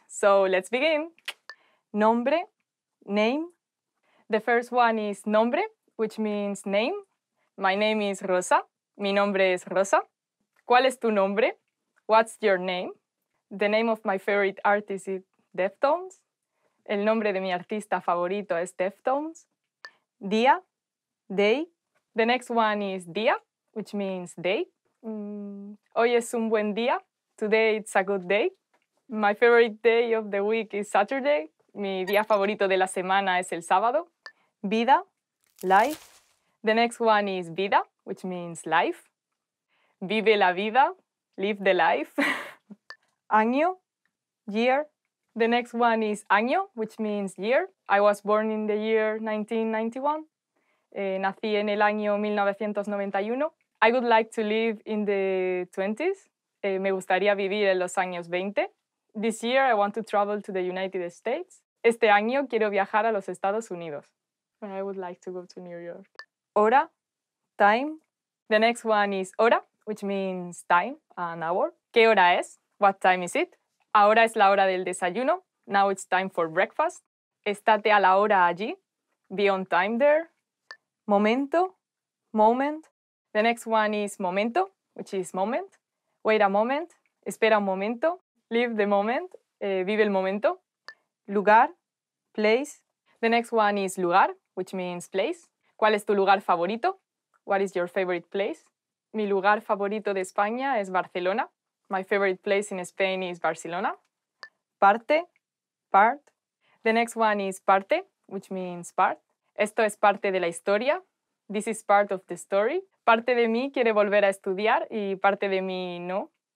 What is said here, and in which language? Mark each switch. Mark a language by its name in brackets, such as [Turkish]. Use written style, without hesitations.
[English] So let's begin. Nombre, name. The first one is nombre, which means name. My name is Rosa. [Spanish] Mi nombre es Rosa. ¿Cuál es tu nombre? [English] What's your name? The name of my favorite artist is Deftones. [Spanish] El nombre de mi artista favorito es Deftones. [English] Día, day. The next one is día, which means day. [Spanish] Hoy es un buen día. [English] Today it's a good day. My favorite day of the week is Saturday. [Spanish] Mi día favorito de la semana es el sábado. [English] Vida, life. The next one is vida, which means life. [Spanish] Vive la vida, [English] live the life. Año, year. The next one is año, which means year. I was born in the year 1991. [Spanish] Nací en el año 1991. [English] I would like to live in the 20s. [Spanish] Me gustaría vivir en los años 20. [English] This year I want to travel to the United States. [Spanish] Este año quiero viajar a los Estados Unidos. [English] I would like to go to New York. Hora, time. The next one is hora, which means time, an hour. [Spanish] ¿Qué hora es? [English] What time is it? [Spanish] Ahora es la hora del desayuno. [English] Now it's time for breakfast. [Spanish] Estate a la hora allí. [English] Be on time there. Momento, moment. The next one is momento, which is moment. Wait a moment. [Spanish] Espera un momento. [English] Live the moment. [Spanish] Vive el momento. [English] Lugar, place. The next one is lugar, which means place. [Spanish] ¿Cuál es tu lugar favorito? [English] What is your favorite place? [Spanish] Mi lugar favorito de España es Barcelona. [English] My favorite place in Spain is Barcelona. Parte, part. The next one is parte, which means part. [Spanish] Esto es parte de la historia. [English] This is part of the story. [Spanish] Parte de mí quiere volver a estudiar y parte de mí no.